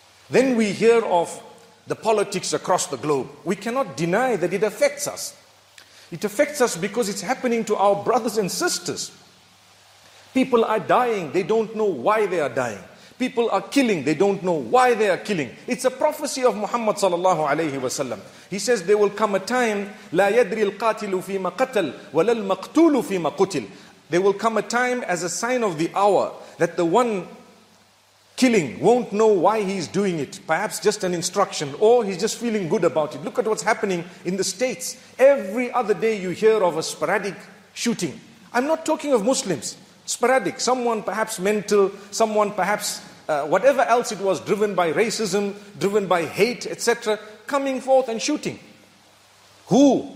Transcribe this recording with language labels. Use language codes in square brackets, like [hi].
[en] Then we hear of the politics across the globe. We cannot deny that it affects us. It affects us because it's happening to our brothers and sisters. People are dying, they don't know why they are dying. People are killing, they don't know why they are killing. It's a prophecy of Muhammad sallallahu alayhi wa sallam. He says there will come a time, [ar] لا يدري القاتل فيما قتل ولا المقتول فيما قتل. [en] There will come a time as a sign of the hour that the one killing won't know why he's doing it. Perhaps just an instruction, or he's just feeling good about it. Look at what's happening in the States. Every other day you hear of a sporadic shooting. I'm not talking of Muslims. Sporadic. Someone perhaps mental, someone perhaps whatever else it was, driven by racism, driven by hate, etc., coming forth and shooting. Who?